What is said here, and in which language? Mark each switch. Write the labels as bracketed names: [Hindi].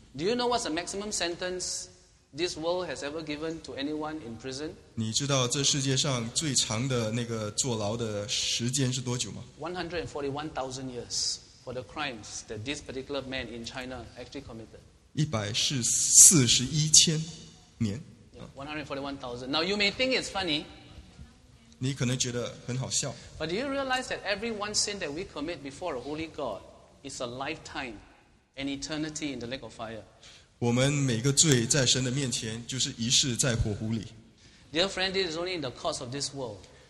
[English] Do you know what's the maximum sentence this world has ever given to anyone in prison? [Chinese] 你知道这世界上最长的那个坐牢的时间是多久吗？ [English] 141,000 years for the crimes that this particular man in China actually committed. [Chinese] 141,000年。 [English] 141,000. Now you may think it's funny. [Chinese] 你可能觉得很好笑。 [English] But do you realize that every one sin that we commit before a holy God is a lifetime, an eternity in the lake of fire? [Chinese] 我们每个罪在神的面前就是一世在火湖里。 [English] Dear friend, this is only in the course of this world.